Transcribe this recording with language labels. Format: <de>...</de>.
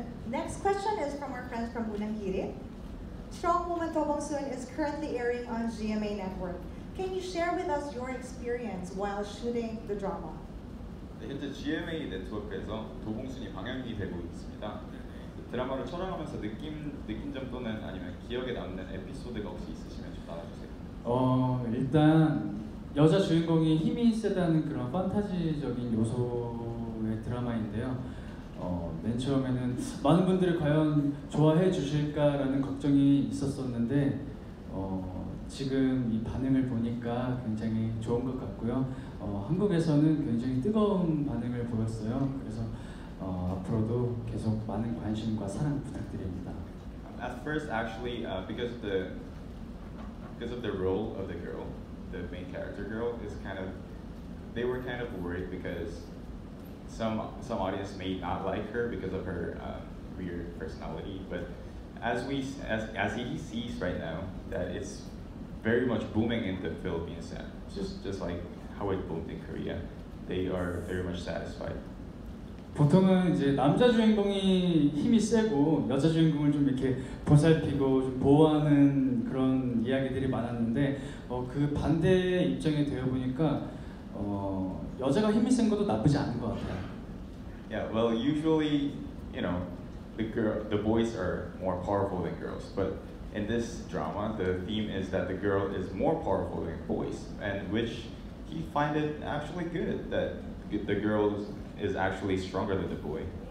<en>Next question is from our friends from Unang Hirit. Strong Woman Do Bong-soon is currently airing on GMA Network. Can you share with us your experience while shooting the drama?</en> <ko>네, 현재 GMA 네트워크에서 도봉순이 방영이 되고 있습니다. 드라마를 촬영하면서 느낀 점 또는 아니면 기억에 남는 에피소드가 혹시 있으시면 좀 알려주세요. 일단 여자 주인공이 힘이 세다는 그런 판타지적인 요소의 드라마인데요. 맨 처음에는 많은 분들이 과연 좋아해 주실까라는 걱정이 있었었는데 지금 이 반응을 보니까 굉장히 좋은 것 같고요. 한국에서는 굉장히 뜨거운 반응을 보였어요. 그래서 앞으로도 계속 많은 관심과 사랑 부탁드립니다.</ko> <en>At first, actually, because of the role of the girl, the main character girl, is kind of they were kind of worried because some audience may not like her because of her weird personality, but as he sees right now that it's very much booming in the Philippines, just like how it boomed in Korea, they are very much satisfied.</en> <ko>보통은 이제 남자 주인공이 힘이 세고 여자 주인공을 좀 이렇게 보살피고 좀 보호하는 그런 이야기들이 많았는데 그 반대의 입장이 되어 보니까 여자가 힘이 센 것도 나쁘지 않은 것 같아요.</ko> <en>Yeah, well, usually, you know, the boys are more powerful than girls. But in this drama, the theme is that the girl is more powerful than boys, and which he find it actually good that the girls is actually stronger than the boy.</en>